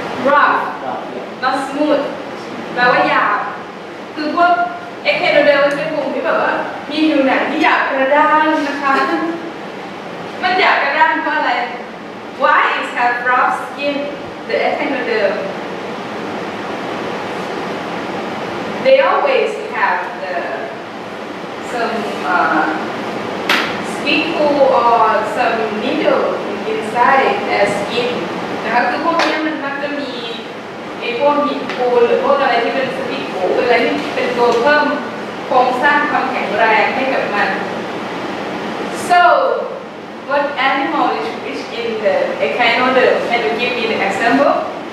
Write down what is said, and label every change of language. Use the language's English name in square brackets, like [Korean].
[English] rough not smooth [Thai] แปลว่าหยาบคือพวกเอกเราเดินมาเป็นกลุ่มที่แบบว่ามีผิวหนังที่หยาบกระด้างนะคะมันหยาบกระด้างเพราะอะไร [English] Why it has rough skin? The echinoderm. They always have the, some spicule or some needle inside their skin. [Thai] นะคะคือพวกนี้มันมักจะมีไอ้พวกหินปูหรือพวกอะไรที่เป็นสปิกูลอะไรที่เป็นตัวเพิ่มโครงสร้างความแข็งแรงให้กับมัน [English] So. What animal is rich in the echinoderm? Can you give me the example?